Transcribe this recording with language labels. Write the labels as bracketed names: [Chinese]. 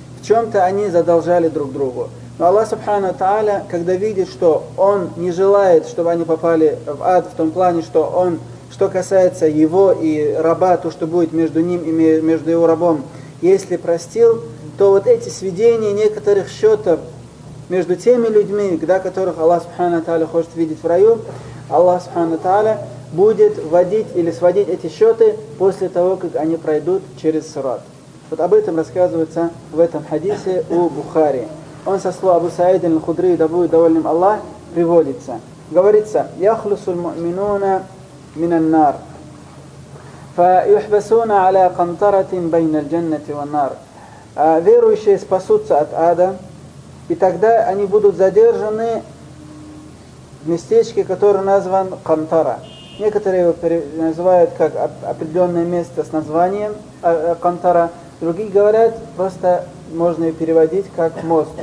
[Russian] В чем-то они задолжали друг другу. Но Аллах Субхану Тааля, когда видит, что Он не желает, чтобы они попали в ад, в том плане, что Он, что касается его и раба, то, что будет между ним и между его рабом, если простил, то вот эти сведения некоторых счетов между теми людьми, да, которых Аллах Субхану Тааля хочет видеть в раю, Аллах Субхану Тааля будет вводить или сводить эти счеты после того, как они пройдут через сират. Вот об этом рассказывается в этом хадисе у Бухари. Он со слова Абу Саида аль-Худри, да будет довольным Аллах, приводится. Говорится: [Arabic] «Яхлусу аль-му'минуна من النار فيحبسون على قنطرة بين الجنة والنار. [Russian] Верующие спасутся от ада, и тогда они будут задержаны в местечке, которое назван Кантара. Некоторые его называют как определенное место с названием Кантара, другие говорят, просто можно его переводить как мост.